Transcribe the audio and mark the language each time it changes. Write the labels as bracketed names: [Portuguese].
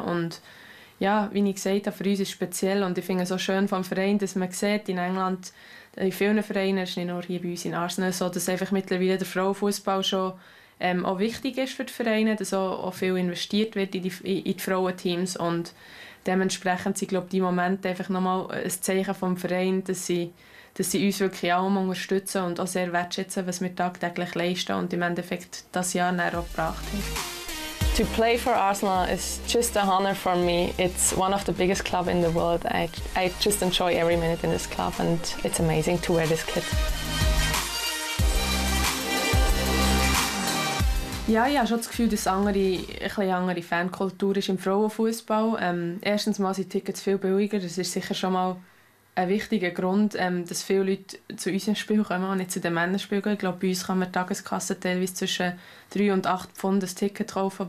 [German] Und ja, wie ich gesagt habe, für uns ist es speziell und ich finde es auch schön vom Verein, dass man sieht, in England, in vielen Vereinen, ist nicht nur hier bei uns in Arsenal, so, dass einfach mittlerweile der Frauenfußball schon auch wichtig ist für die Vereine, dass auch viel investiert wird in die Frauenteams und dementsprechend sind, glaube ich, die Momente einfach nochmal ein Zeichen vom Verein, dass sie uns wirklich auch unterstützen und auch sehr wertschätzen, was wir tagtäglich leisten und im Endeffekt das Jahr näher auch gebracht haben. [English] To play for Arsenal is just an honor for me. It's one of the biggest clubs in the world. I just enjoy every minute in this club and it's amazing to wear this kit. [German] Ja, ich habe schon das Gefühl, dass es eine andere Fankultur ist im Frauenfußball. Erstens mal sind Tickets viel billiger. Das ist sicher schon mal ein wichtiger Grund, dass viele Leute zu unserem Spiel kommen und nicht zu den Männerspielen gehen. Ich glaube, bei uns kann man Tageskasse teilweise zwischen 3 und 8 Pfund ein Ticket kaufen.